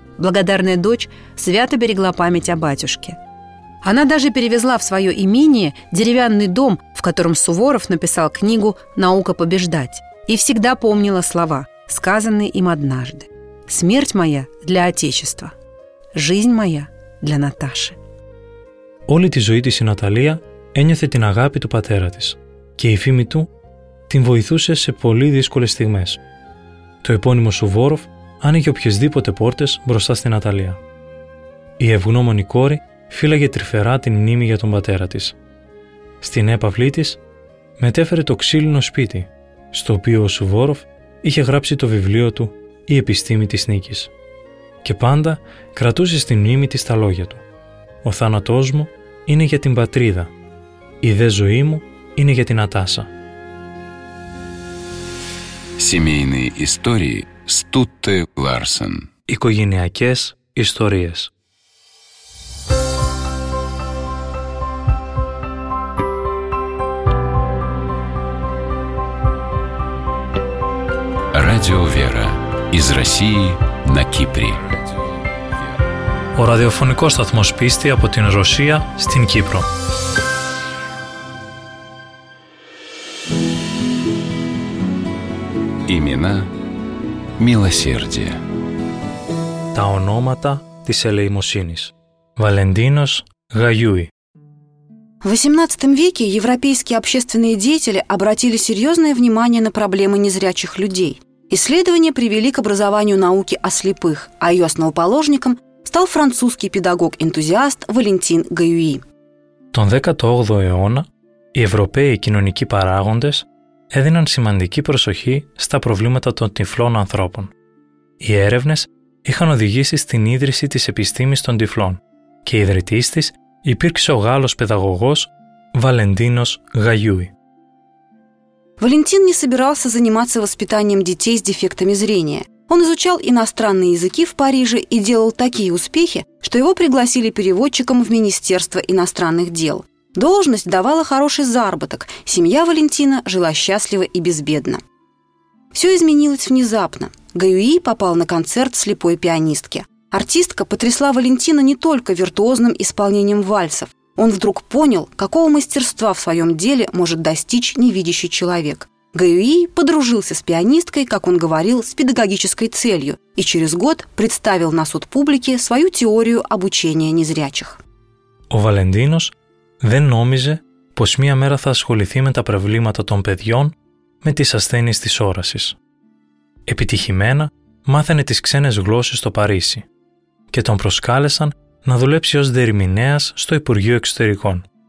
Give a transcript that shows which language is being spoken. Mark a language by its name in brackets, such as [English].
[Russian] Благодарная дочь свято берегла память о батюшке. Она даже перевезла в свое имение деревянный дом, в котором Суворов написал книгу «Наука побеждать», и всегда помнила слова, сказанные им однажды. «Смерть моя для Отечества, жизнь моя для Наташи». [Greek] Όλη τη ζωή της η Ναταλία ένιωθε την αγάπη του πατέρα της και η φήμη του την βοηθούσε σε πολύ δύσκολες στιγμές. Το επώνυμο Σουβόροφ άνοιγε οποιασδήποτε πόρτες μπροστά στην Ναταλία. Η ευγνώμονη κόρη φύλαγε τρυφερά την μνήμη για τον πατέρα της. Στην έπαυλή της μετέφερε το ξύλινο σπίτι, στο οποίο ο Σουβόροφ είχε γράψει το βιβλίο του «Η επιστήμη της νίκης». Και πάντα κρατούσε στην μνήμη της τα λόγια του. Ο θάνατός μου είναι για την πατρίδα. Η δε ζωή μου είναι για την Ατάσα. [Russian] Семейные истории Стутте Ларсен. [Greek] Οικογενειακές ιστορίες. [Russian] Радио Вера. Из России на Кипре. [Greek] Ο ραδιοφωνικός σταθμός πίστη από την Ρωσία στην Κύπρο. [Russian] Имена милосердия. [Greek] Τα ονόματα της ελεημοσύνης. Βαλεντίνος Γαγιούι. [Russian] В XVIII веке европейские общественные деятели обратили серьезное внимание на проблемы незрячих людей. Исследования привели к образованию науки о слепых, а ее основоположником – стал французский педагог-энтузиаст Валентин Гаюи. [Greek] Τον 18ο αιώνα, οι Ευρωπαίοι κοινωνικοί παράγοντες έδιναν σημαντική προσοχή στα προβλήματα των τυφλών ανθρώπων. Οι έρευνες είχαν οδηγήσει στην ίδρυση της επιστήμης των τυφλών και η ιδρυτής της υπήρξε ο Γάλλος παιδαγωγός Βαλεντίνος Γαγιούι. [Russian] Валентин не собирался заниматься воспитанием детей с дефектами зрения. Он изучал иностранные языки в Париже и делал такие успехи, что его пригласили переводчиком в Министерство иностранных дел. Должность давала хороший заработок, семья Валентина жила счастливо и безбедно. Все изменилось внезапно. Гаюи попал на концерт слепой пианистки. Артистка потрясла Валентина не только виртуозным исполнением вальсов. Он вдруг понял, какого мастерства в своем деле может достичь невидящий человек. Гаюи подружился с пианисткой, как он говорил, с педагогической целью и через год представил на суд публике свою теорию обучения незрячих. [Greek] Ο Βαλεντίνος δεν νόμιζε πως μία μέρα θα ασχοληθεί με τα προβλήματα των παιδιών με τις ασθένειες της όρασης. Επιτυχημένα, μάθαινε τις ξένες γλώσσες στο Παρίσι και τον προσκάλεσαν να δουλέψει ως διερμηνέας στο Υπουργείο Εξωτερικών.